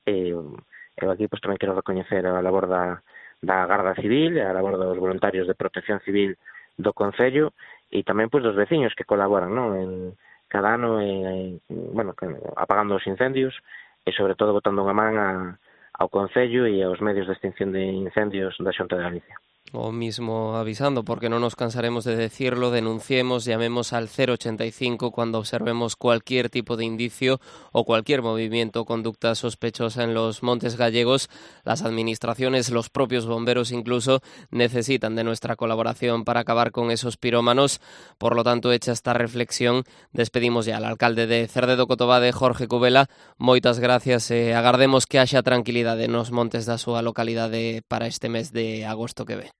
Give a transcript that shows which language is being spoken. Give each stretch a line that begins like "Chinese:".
Galician: Eu aquí pues, tamén quero recoñecer a labor da Garda Civil, a labor dos voluntarios de Protección Civil do concello e tamén pois dos veciños que colaboran, non, en cada ano bueno, apagando os incendios e sobre todo botando unha man ao concello e aos medios de extinción de incendios da Xunta de Galicia.
Spanish: O mismo avisando, porque
Galician: non nos cansaremos
Spanish: de decirlo, denunciemos, llamemos al 085 cando observemos cualquier tipo de indicio ou cualquier movimiento o conducta sospechosa en los montes gallegos. Las administraciones, los propios bomberos incluso, necesitan de nuestra colaboración para acabar con esos pirómanos. Por lo tanto, hecha esta reflexión, despedimos ya al alcalde de Cerdedo Cotobade, Jorge Cubela.
Galician: Moitas gracias e agardemos que haxa tranquilidade nos montes da súa localidade para este mes de agosto que ve.